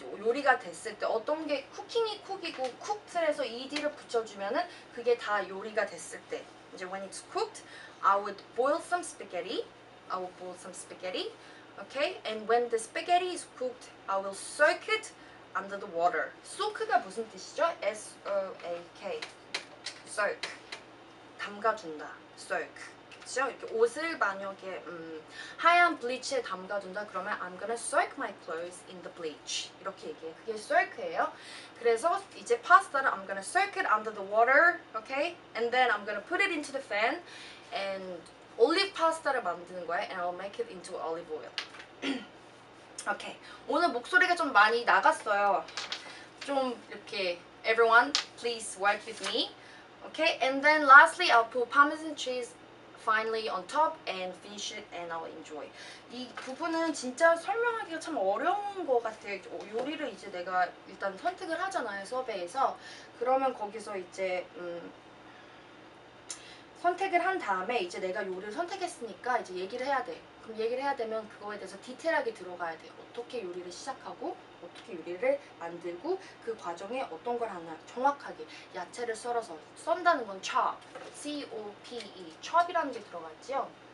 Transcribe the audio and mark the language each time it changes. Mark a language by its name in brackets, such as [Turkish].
[Korean] 요리가 됐을 때 어떤 게 쿠킹이 쿡이고 쿡트 해서 ED를 붙여주면은 그게 다 요리가 됐을 때 [English] 이제 when it's cooked I would boil some spaghetti I would boil some spaghetti okay and when the spaghetti is cooked I will soak it under the water [Korean] soak가 무슨 뜻이죠? [English] S-O-A-K soak [Korean] 담가준다 [English] soak [Korean] 이렇게 옷을 만약에 하얀 블리치에 담가둔다 그러면 [English] I'm gonna soak my clothes in the bleach [Korean] 이렇게 얘기해 그게 soak예요 그래서 이제 파스타를 [English] I'm gonna soak it under the water okay? and then I'm gonna put it into the fan and [Korean] 올리브 파스타를 만드는 거야 [English] and I'll make it into olive oil [Korean] okay. 오늘 목소리가 좀 많이 나갔어요 좀 이렇게 [English] everyone please work with me okay? and then lastly I'll put parmesan cheese Finally on top and finish it and I'll enjoy. [Korean] 이 부분은 진짜 설명하기가 참 어려운 것 같아요. 요리를 이제 내가 일단 선택을 하잖아요. 섭외에서. 그러면 거기서 이제 선택을 한 다음에 이제 내가 요리를 선택했으니까 이제 얘기를 해야 돼. 그럼 얘기를 해야 되면 그거에 대해서 디테일하게 들어가야 돼. 어떻게 요리를 시작하고 어떻게 요리를 만들고 그 과정에 어떤 걸 하나 정확하게 야채를 썰어서 썬다는 건 chop, C-O-P-E, chop이라는 게 들어갔지요?